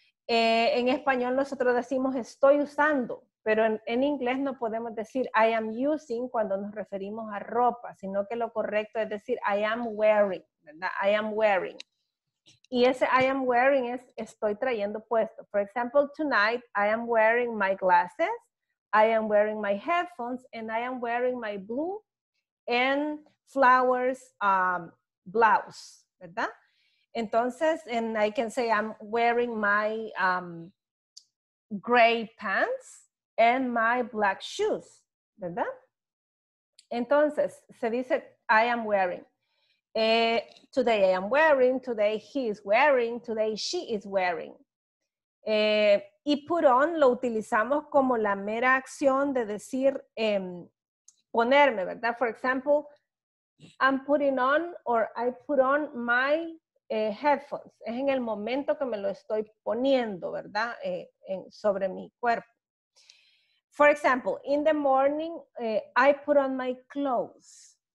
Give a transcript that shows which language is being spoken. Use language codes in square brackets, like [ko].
[es] En español nosotros decimos estoy usando, pero en inglés no podemos decir [en] I am using [es] cuando nos referimos a ropa, sino que lo correcto es decir [en] I am wearing, [es] ¿verdad? I am wearing. Y ese [en] I am wearing [es] es estoy trayendo puesto. [en] For example, tonight I am wearing my glasses, I am wearing my headphones, and I am wearing my blue and flowers blouse, [es] ¿verdad? Entonces, [en] and I can say I'm wearing my gray pants and my black shoes, ¿verdad? [es] Entonces, se dice, [en] I am wearing. Today I am wearing, today he is wearing, today she is wearing. [es] Y put on lo utilizamos como la mera acción de decir, ponerme, ¿verdad? [en] For example, I'm putting on or I put on my headphones. [es] Es en el momento que me lo estoy poniendo, ¿verdad? Sobre mi cuerpo. [en] For example, in the morning, I put on my clothes.